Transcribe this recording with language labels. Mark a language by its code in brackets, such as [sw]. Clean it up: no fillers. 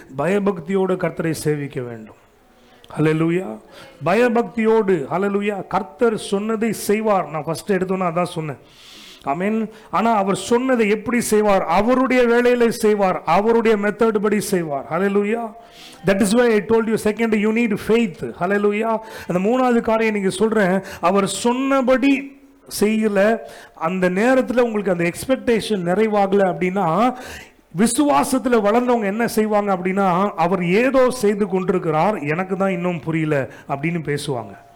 [ta] பயபக்தியோடு கர்த்தரை சேவிக்க வேண்டும். ஹல்லேலூயா. பயபக்தியோடு ஹல்லேலூயா கர்த்தர் சொன்னதை செய்வார். நான் ஃபர்ஸ்ட் எடுத்தோன்னா அதான் சொன்னேன், ஆமென். ஆனால் அவர் சொன்னதை எப்படி செய்வார்? அவருடைய வேலையில செய்வார், அவருடைய மெத்தட் படி செய்வார். ஹல்லேலூயா. [en] That is why I told you, second, you need faith. Hallelujah. [ta] அந்த மூணாவது காரியம் நீங்க சொல்றேன், அவர் சொன்னபடி செய்யல அந்த நேரத்தில் உங்களுக்கு அந்த எக்ஸ்பெக்டேஷன் நிறைவாகல அப்படின்னா, விசுவாசத்தில் வளர்ந்தவங்க என்ன செய்வாங்க அப்படின்னா, அவர் ஏதோ செய்து கொண்டிருக்கிறார், எனக்கு தான் இன்னும் புரியல அப்படின்னு பேசுவாங்க.